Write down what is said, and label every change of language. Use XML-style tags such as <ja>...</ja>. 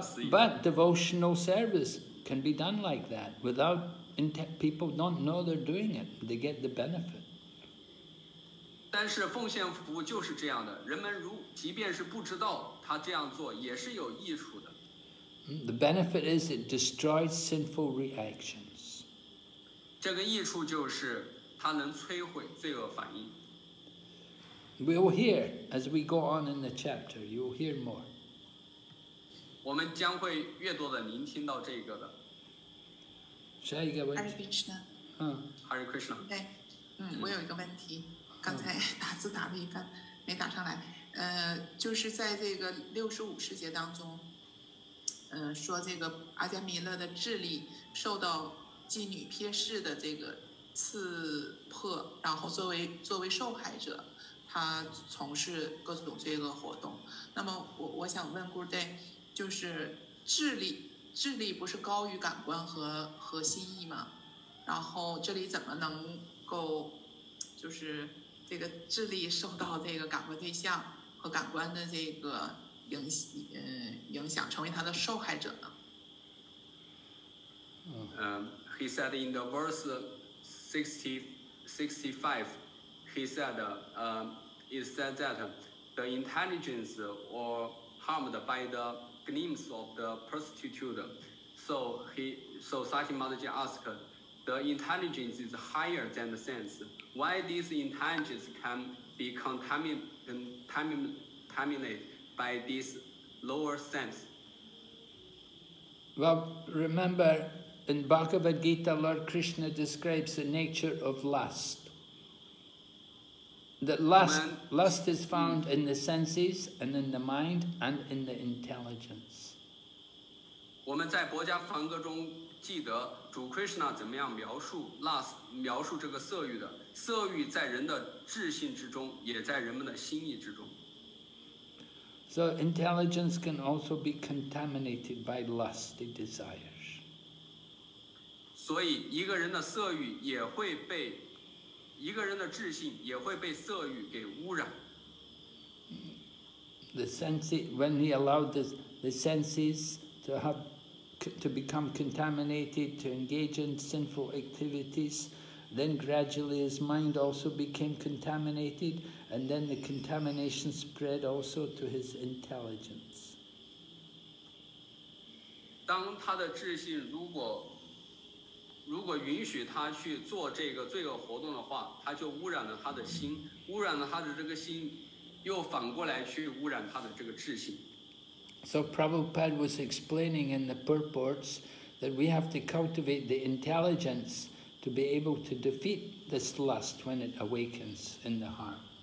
<en>but devotional service can be done like that without people don't know they're doing it. They get the benefit.</en> <zh>但是奉献服务就是这样的，人们即便是不知道他这样做也是有益处的。</zh> <en>The benefit is it destroys sinful reactions.</en> <zh>这个益处就是它能摧毁罪恶反应。</zh> <en>We'll hear as we go on in the chapter. You'll hear more.</en> <zh>我们将会越多的聆听到这个的。下一个问题。</zh> <sa>Hare Krishna。 Hare Krishna。</sa> <zh>对，我有一个问题，刚才打字打了一半，没打上来。就是在这个六十五世节当中，说这个阿加弥勒的智力受到妓女瞥视的这个刺破，然后作为受害者，他从事各种罪恶活动。那么我想问 Gurudev。就是智力不是高于感官和心意吗？然后这里怎么能够就是这个智力受到这个感官对象和感官的这个影响成为他的受害者呢？</zh> <en>He said in the verse 65, he said, it said that the intelligence were harmed by theglimpse of the prostitute. So Satyamataji asked, the intelligence is higher than the sense. Why this intelligence can be contaminated by this lower sense? Well, remember, in Bhagavad Gita, Lord Krishna describes the nature of lust. That lust is found in the senses and in the mind and in the intelligence.</en> <zh>我们在《薄伽梵歌》中记得主 Krishna 怎么样描述这个色欲的，色欲在人的智性之中，也在人们的心意之中。</zh> <en>So intelligence can also be contaminated by lusty desires.</en> <zh>所以一个人的色欲也会被，一个人的智性也会被色欲给污染。</zh> <en>The senses, when he allowed the senses to become contaminated, to engage in sinful activities, then gradually his mind also became contaminated, and then the contamination spread also to his intelligence.</en> <zh>当他的智性如果允许他去做这个罪恶活动的话，他就污染了他的心，污染了他的这个心，又反过来去污染他的这个智性。</zh> <en>So Prabhupada was explaining in the purports that we have to cultivate the intelligence to be able to defeat this lust when it awakens in the heart.</en>